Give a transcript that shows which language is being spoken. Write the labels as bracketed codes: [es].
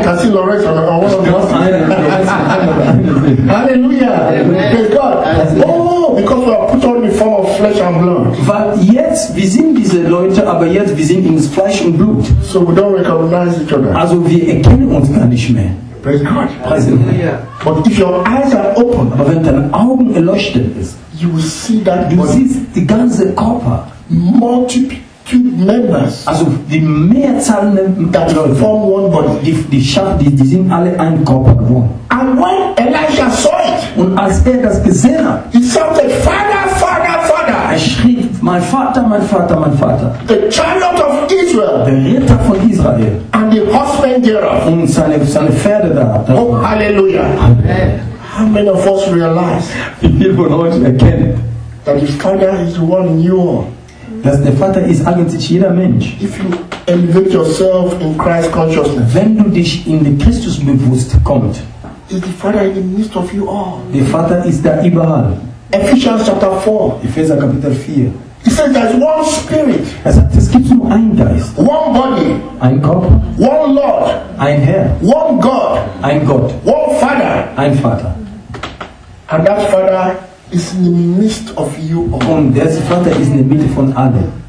[en] I can see Lorenz on one of the [de] last eine. [en] Hallelujah. Praise God. Oh, because we are put on the form of flesh and blood. [de] Weil jetzt, wir sind diese Leute, aber jetzt, wir sind in Fleisch und Blut. [en] So we don't recognize each other. [de] Also wir erkennen uns gar nicht mehr. [en] Praise God. Praise God. But if your eyes are open, [de] aber wenn deine Augen erleuchtet ist, [en] you will see that [de] du siehst die ganze Körper. [en] Multitude members. [de] Also die Mehrzahl [en] that Leute, form one body. [de] Die sind alle ein Körper geworden. [en] And when Elisha saw it, [de] und als er das gesehen hat, [en] he shouted, Father, Father, Father. [de] Er schrie, mein Vater, mein Vater, mein Vater. [en] The chariot of Israel. [de] Der Ritter von Israel. [en] And the horsemen thereof. [de] Und seine Pferde da. [en] Oh, Hallelujah. Amen. How many of us realize? [de] Viele von euch erkennen, [en] that the Father is the one you are. [de] Dass der Vater ist eigentlich jeder Mensch. [en] If you elevate yourself in Christ consciousness, [de] wenn du dich in den Christus bewusst kommt, [en] is the Father in the midst of you all. [de] Der Vater ist da überall. [en] Ephesians chapter 4. [de] Epheser Kapitel 4. [en] He says there's one spirit. [de] Er sagt, es gibt nur einen Geist. [en] One body. [de] Ein Körper. [en] One Lord. [de] Ein Herr. [en] One God. [de] Ein Gott. [en] One Father. [de] Ein Vater. [en] And that Father is in the midst of you all. [de] Und der Vater ist in der Mitte von allen.